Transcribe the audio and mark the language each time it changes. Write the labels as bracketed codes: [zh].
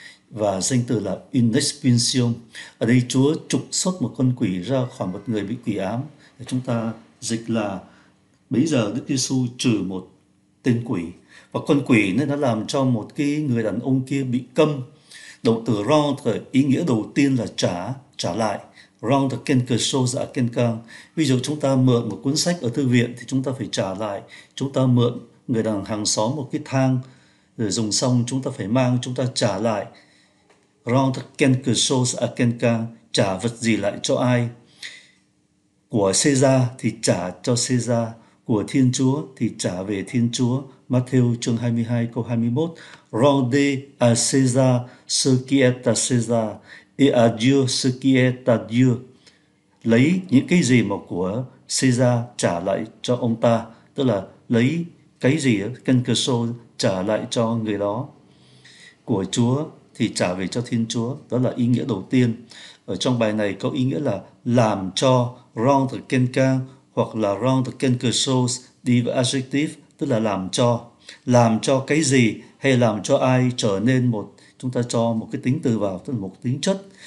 [vi] Và danh từ là inexpulsion. Ở đây Chúa trục xuất một con quỷ ra khỏi một người bị quỷ ám. Chúng ta dịch là bây giờ Đức Giêsu trừ một tên quỷ. Và con quỷ nó đã làm cho một cái người đàn ông kia bị câm. Động từ rendre, ý nghĩa đầu tiên là trả, trả lại. [fr] Rendre quelque chose à quelqu'un. [vi] Ví dụ chúng ta mượn một cuốn sách ở thư viện thì chúng ta phải trả lại. Chúng ta mượn người đàn hàng xóm một cái thang rồi dùng xong chúng ta phải mang, chúng ta trả lại. [fr] Rendre quelque chose à quelqu'un, [vi] trả vật gì lại cho ai? Của Caesar thì trả cho Caesar, của Thiên Chúa thì trả về Thiên Chúa. Matthew chương 22 câu 21. [fr] Rendre à Caesar ce qui est à Caesar. Et à Dieu ce qui est à Dieu. [vi] Lấy những cái gì mà của Caesar trả lại cho ông ta, tức là lấy cái gì ở cân cơ sô trả lại cho người đó, của Chúa thì trả về cho Thiên Chúa. Đó là ý nghĩa đầu tiên ở trong bài này, có ý nghĩa là làm cho, [fr] rendre quelqu'un [vi] hoặc là [fr] rendre quelque chose, [vi] đi với adjective tức là làm cho cái gì hay làm cho ai trở nên một, chúng ta cho một cái tính từ vào, tức là một tính chất.